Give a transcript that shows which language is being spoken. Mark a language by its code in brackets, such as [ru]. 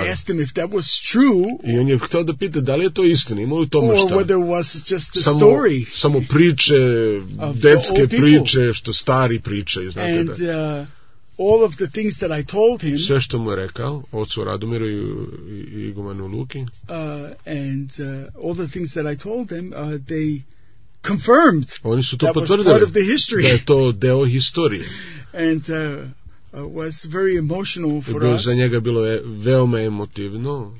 [en] And I asked him if that was true. [sr] I on je htio da pita da li je to istina, ima li tome [en] or [sr] šta. [en] Or whether it was just a [sr] samo, [en] story. [sr] Samo priče, detske priče, što stari priče. [en] And [sr] da. [en] all of the things that I told him. [sr] Sve što mu je rekao, ocu Radomiru i igumanu Luki. [en] And all the things that I told them, they confirmed. [sr] Oni su to potvrdili. [en] Part of the history. [sr] Da je to deo historije. [en] And was very emotional for us. [sr] Za njega bilo je veoma emotivno.